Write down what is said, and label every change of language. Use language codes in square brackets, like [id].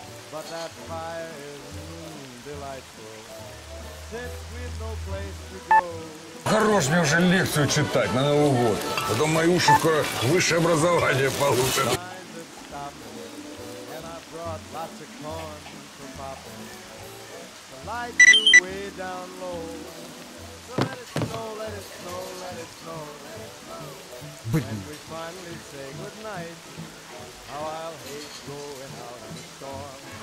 [en] But that fire is delightful. Sit with no place to go. [ru] Хорош мне уже лекцию читать на Новый год. А то мои уши скоро высшее образование получат. [en] And I brought lots of corn for popping. The light is way down low. So let it snow, let it snow, let it snow, let it snow. And we finally say goodnight. How I'll hate going out in the storm.